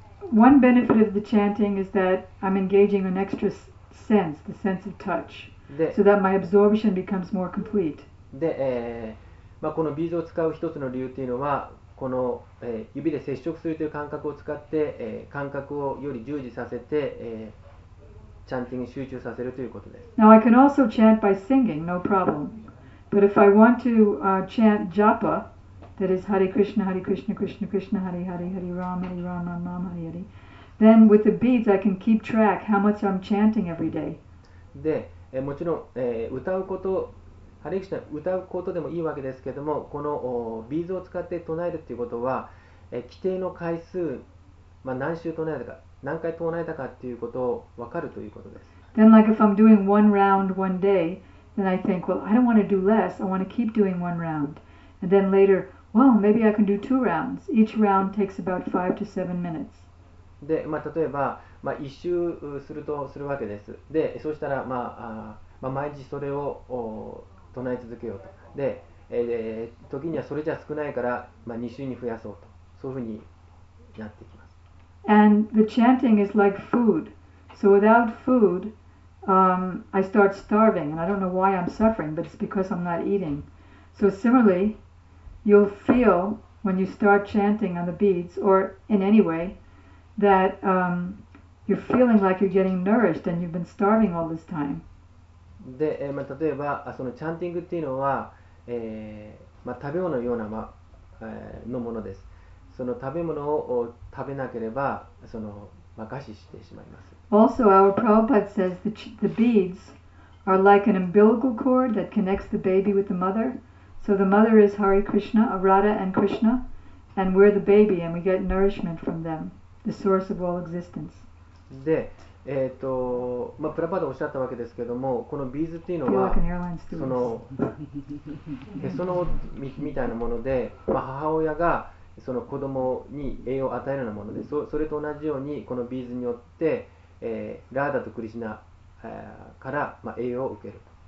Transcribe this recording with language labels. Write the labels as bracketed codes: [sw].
[en] One benefit of the chanting is that I'm engaging an extra sense, the sense of touch. So that my absorption becomes more complete. [ja] で、まあ、このビーズを使う一つの理由というのは、この、指で接触するという感覚を使って、感覚をより従事させて、チャンティングに集中させるということです。 [en] Now I can also chant by singing, no problem. But if I want to chant japa, that is Hare Krishna, Hare Krishna, Krishna Krishna, Hare Hare, Hare Ram, Hare Ram, Ram Ram, Hare Hare, then with the beads I can keep track how much I'm chanting every day. [ja] で、もちろん、歌うこと、ハレクシュナ歌うことでもいいわけですけれども、このビーズを使って唱えるということは、規定の回数、まあ、何週唱えたか、何回唱えたかということを分かるということです。 [en] Then, like if I'm doing one round one day, then I think, well, I don't want to do less. I want to keep doing one round. And then later, well, maybe I can do two rounds. Each round takes about 5 to 7 minutes. [ja] で、まあ、例えば、まあ、一周するとするわけです。で、そうしたら、まあ、まあ、毎日それを唱え続けようと。で、時にはそれじゃ少ないから、まあ、2週に増やそうと。そういうふうになってきます。 [en] And the chanting is like food. So without food, I start starving. And I don't know why I'm suffering, but it's because I'm not eating. So similarly, you'll feel when you start chanting on the beads, or in any way, that, you're feeling like you're getting nourished and you've been starving all this time. [ja] で、まあ、例えばそのチャンティングっていうのは、まあ、食べ物のような、まのものです。その食べ物を食べなければその、まあ、餓死してしまいます。 [en] Also, our Prabhupada says the beads are like an umbilical cord that connects the baby with the mother. So the mother is Hare Krishna, Radha and Krishna, and we're the baby and we get nourishment from them, the source of all existence. [ja] で、まあ、プラパドおっしゃったわけですけども、このビーズっていうのは、その、へその緒みたいなもので、まあ、母親がその子供に栄養を与えるようなもので、それと同じように、このビーズによって、ラーダとクリシナから、まあ、栄養を受ける。